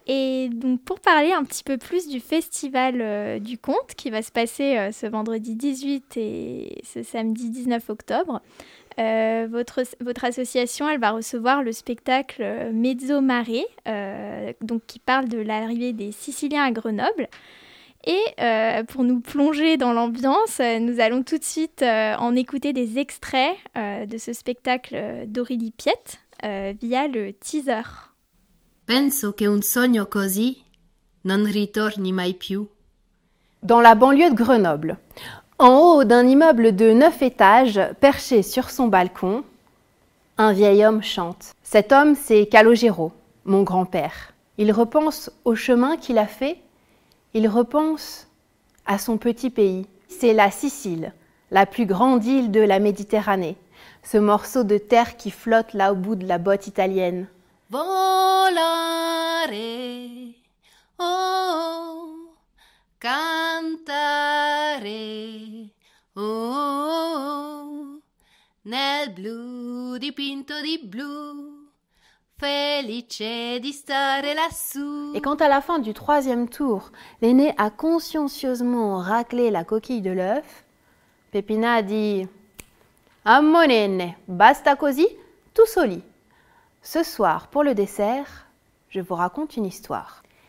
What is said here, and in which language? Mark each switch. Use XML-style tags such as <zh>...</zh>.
<fr>Et donc pour parler un petit peu plus du festival du conte qui va se passer ce vendredi 18 et ce samedi 19 octobre, votre association, elle va recevoir le spectacle Mezzo Mare, donc qui parle de l'arrivée des Siciliens à Grenoble. Et pour nous plonger dans l'ambiance, nous allons tout de suite en écouter des extraits de ce spectacle d'Aurélie Piette via le teaser.</fr> <it>Penso che un sogno così non ritorni mai più.</it> <fr>Dans la banlieue de Grenoble, en haut d'un immeuble de 9 étages, perché sur son balcon, Un vieil homme chante. Cet homme, c'est Calogero, mon grand-père. Il repense au chemin qu'il a fait. Il repense à son petit pays. C'est la Sicile, la plus grande île de la Méditerranée. Ce morceau de terre qui flotte là au bout de la botte italienne.</fr> <it>Volare, oh, oh, cantare, oh, oh, oh, nel blu dipinto di blu, felice di stare lassù.</it> <fr>Et quand à la fin du troisième tour, l'aîné a consciencieusement raclé la coquille de l'œuf, Pepina a dit «</fr> <it>Ammo nenne, basta così,</it> <fr>tout soli ». Ce soir, pour le dessert, je vous raconte une histoire.</fr>